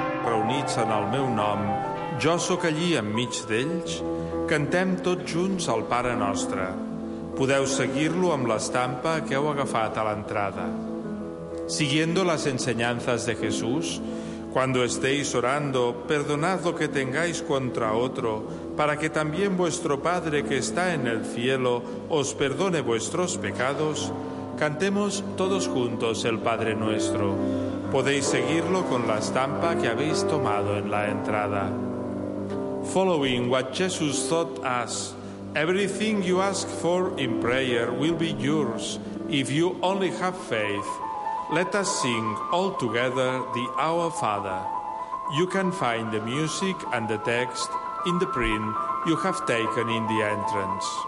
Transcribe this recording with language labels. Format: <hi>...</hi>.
<ca>Units en el meu nom, jo sóc allí enmig d'ells, cantem tots junts el Pare Nostre. Podeu seguir-lo amb l'estampa que heu agafat a l'entrada.</ca> <es>Siguiendo las enseñanzas de Jesús, cuando estéis orando, perdonad lo que tengáis contra otro, para que también vuestro Padre que está en el cielo os perdone vuestros pecados, cantemos todos juntos el Padre Nuestro. Podéis seguirlo con la estampa que habéis tomado en la entrada.</es> <en>Following what Jesus taught us, everything you ask for in prayer will be yours if you only have faith. Let us sing all together the Our Father. You can find the music and the text in the print you have taken in the entrance.</en>